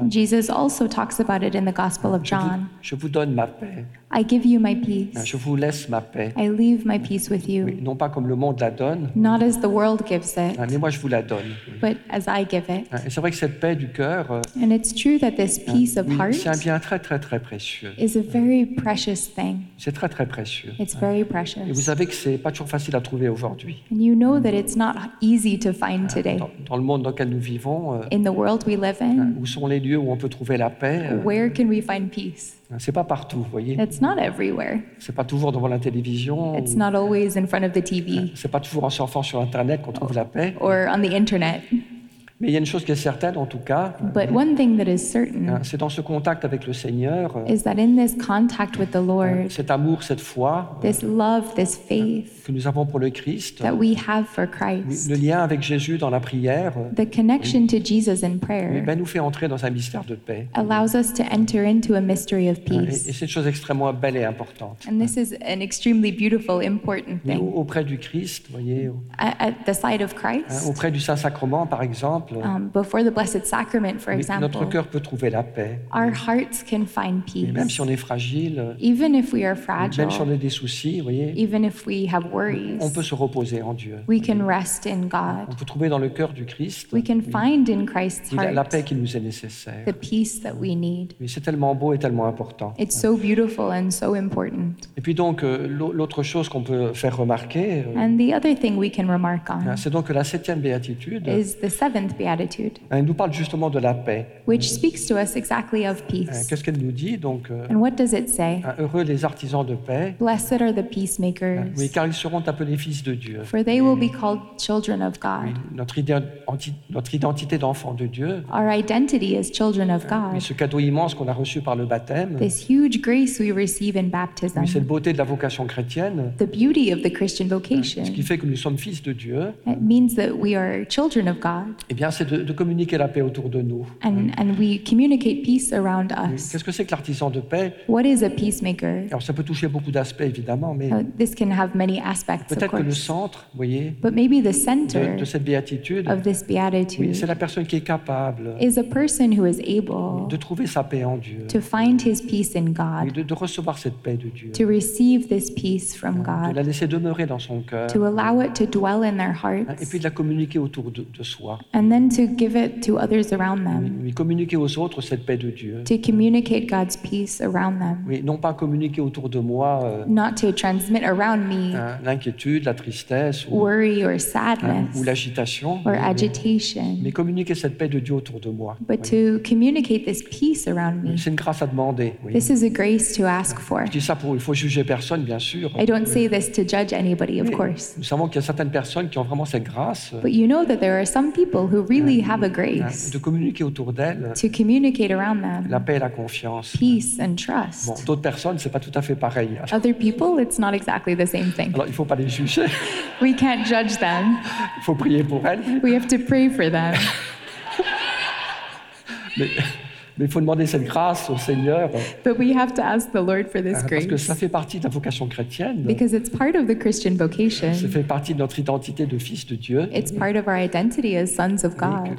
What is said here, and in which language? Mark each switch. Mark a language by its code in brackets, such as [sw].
[en] Jesus also talks about it in the gospel of John. [fr] Je vous donne ma paix. [en] I give you my peace. [fr] Je vous laisse ma paix. [en] I leave my peace with you. [fr] Oui, non pas comme le monde la donne. [en] Not as the world gives it. [fr] Mais moi je vous la donne. [en] But as I give it. [fr] Et c'est vrai que cette paix du cœur. [en] And it's true that this peace of heart. [fr] C'est un bien très très très précieux. [en] Is a very precious thing. [fr] C'est très très précieux. [en] It's very precious. [fr] Et vous savez que c'est pas toujours facile à trouver aujourd'hui. [en] And you know that it's not easy to find today. [fr] Dans le monde dans lequel nous vivons. [en] In the world we live in. [fr] Où sont les lieux où on peut trouver la paix? [en] Where can we find peace? [fr] C'est pas partout, vous voyez. [en] It's not everywhere. [fr] C'est pas toujours devant la télévision. [en] It's not always in front of the TV. [fr] C'est pas toujours en surfant sur Internet qu'on trouve la paix. [en] Or on the Internet. [fr] Mais il y a une chose qui est certaine, en tout cas. [en] But one thing that is certain. [fr] C'est dans ce contact avec le Seigneur. [en] Is that in this contact with the Lord. [fr] Cet amour, cette foi. [en] This love, this faith. [fr] Que nous avons pour le Christ. [en] That we have for Christ. [fr] Le lien avec Jésus dans la prière. [en] The connection to Jesus in prayer. [fr] Et ben nous fait entrer dans un mystère de paix. [en] Allows us to enter into a mystery of peace. [fr] Et c'est une chose extrêmement belle et importante. [en] And this is an extremely beautiful, important thing. [fr] Mais auprès du Christ, voyez. [en] At the side of Christ. [fr] Auprès du Saint-Sacrement, par exemple. [en] Before the Blessed Sacrament, for example, [fr] notre cœur peut trouver la paix. [en] Our hearts can find peace. [fr] Même si on est fragile, [en] even if we are fragile, [fr] même si on a des soucis, voyez, [en] even if we have worries, [fr] on peut se reposer en Dieu. [en] We can rest in God. [fr] On peut trouver dans le cœur du Christ. [en] We can find in Christ's heart [fr] la paix qui nous est nécessaire. [en] The peace that we need. [fr] Mais c'est tellement beau et tellement important. [en] It's so beautiful and so important. [fr] Et puis donc l'autre chose qu'on peut faire remarquer, [en] and the other thing we can remark on, [fr] c'est donc la septième béatitude. [en] Is the seventh beatitude. [fr] Elle nous parle justement de la paix. [en] Which speaks to us exactly of peace. [fr] Qu'est-ce qu'elle nous dit donc? [en] And what does it say? [fr] Heureux les artisans de paix. [en] Blessed are the peacemakers. [fr] Oui, car ils seront appelés fils de Dieu. [en] For they will be called children of God. [fr] Oui, notre identité d'enfant de Dieu. [en] Our identity as children of God. [fr] Oui, ce cadeau immense qu'on a reçu par le baptême. [en] This huge grace we receive in baptism. [fr] Oui, cette beauté de la vocation chrétienne. [en] The beauty of the Christian vocation. [fr] Ce qui fait que nous sommes fils de Dieu. [en] It means that we are children of God. [fr] Et bien, c'est de communiquer la paix autour de nous. [en] And we communicate peace around us. [fr] Qu'est-ce que c'est que l'artisan de paix? [en] What is a peacemaker? [fr] Alors, ça peut toucher beaucoup d'aspects, évidemment, mais [en] this can have many aspects, [fr] peut-être que le centre, vous voyez, [en] but maybe the center [fr] de cette béatitude, [en] of this beatitude, [fr] oui, c'est la personne qui est capable, [en] is a person who is able, [fr] de trouver sa paix en Dieu, [en] to find his peace in God, [fr] oui, de recevoir cette paix de Dieu, [en] to receive this peace from God, [fr] de la laisser demeurer dans son cœur, [en] to allow it to dwell in their hearts, [fr] et puis de la communiquer autour de soi, [en] and then to give it to others around them. [fr] Oui, communiquer aux autres cette paix de Dieu. [en] To communicate God's peace around them. [fr] Oui, non pas communiquer autour de moi. [en] Not to transmit around me. [fr] L'inquiétude, la tristesse. [en] Worry or sadness. [fr] Ou l'agitation. [en] Or agitation. [fr] Mais communiquer cette paix de Dieu autour de moi. [en] But to communicate this peace around me. [fr] C'est une grâce à demander. Oui. [en] This is a grace to ask for. [fr] Je dis ça pour, il faut juger personne, bien sûr. [en] I don't say this to judge anybody, of course. [fr] Nous savons qu'il y a certaines personnes qui ont vraiment cette grâce. [en] But you know that there are some people who really have a grace, [fr] de communiquer autour d'elle, [en] to communicate around them, [fr] la paix et la confiance, [en] peace and trust. [fr] Bon, d'autres personnes, c'est pas tout à fait pareil. [en] Other people, it's not exactly the same thing. [fr] Alors, il faut pas les juger. [en] We can't judge them. [fr] Il faut prier pour elles. [en] We have to pray for them. [fr] Mais Mais il faut demander cette grâce au Seigneur. [en] But we have to ask the Lord for this grace. [fr] Parce que ça fait partie de la vocation chrétienne. [en] Because it's part of the Christian vocation. [fr] Ça fait partie de notre identité de fils de Dieu. [en] It's part of our identity as sons of God.